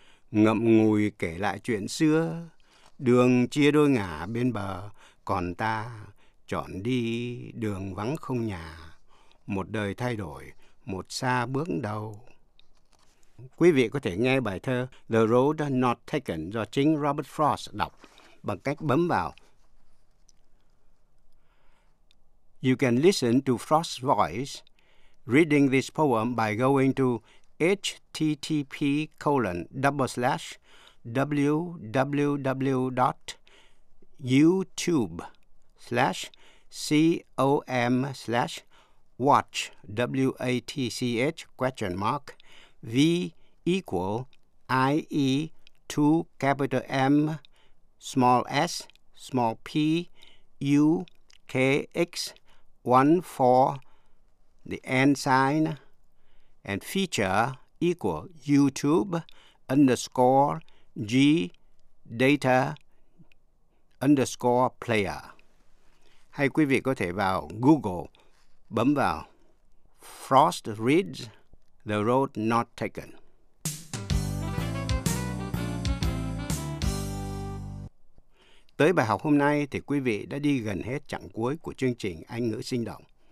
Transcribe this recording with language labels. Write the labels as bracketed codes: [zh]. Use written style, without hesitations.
[vi] Ngậm ngùi kể lại chuyện xưa, đường chia đôi ngả bên bờ, còn ta chọn đi đường vắng không nhà. Một đời thay đổi, một xa bước đầu. Quý vị có thể nghe bài thơ The Road Not Taken do chính Robert Frost đọc bằng cách bấm vào. [en] You can listen to Frost's voice reading this poem by going to http://www.youtube/com/watch=TCH?V=IE2M SMUKX14 and feature equal YouTube_G_data_player. [vi] Hay quý vị có thể vào Google, bấm vào Frost Reads The Road Not Taken. Tới bài học hôm nay thì quý vị đã đi gần hết chặng cuối của chương trình Anh ngữ sinh động.